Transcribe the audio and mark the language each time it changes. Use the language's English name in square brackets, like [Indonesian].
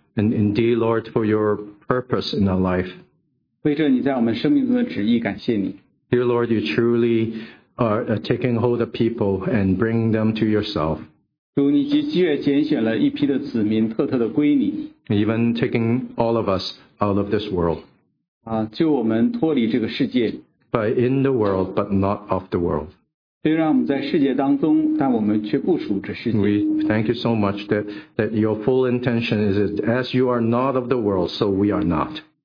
[English] And indeed, Lord, for your purpose in our life. [Chinese] 为着你在我们生命中的旨意感谢你。 [English] Dear Lord, you truly are taking hold of people and bringing them to yourself. [Chinese] 主，你极其拣选了一批的子民，特特的归你。 [English] Even taking all of us out of this world. [Chinese] 救我们脱离这个世界。 [English] But in the world, but not of the world. [Chinese] 虽然我们在世界当中，但我们却不属这世界。 [English] We thank you so much that your full intention is that as you are not of the world, so we are not.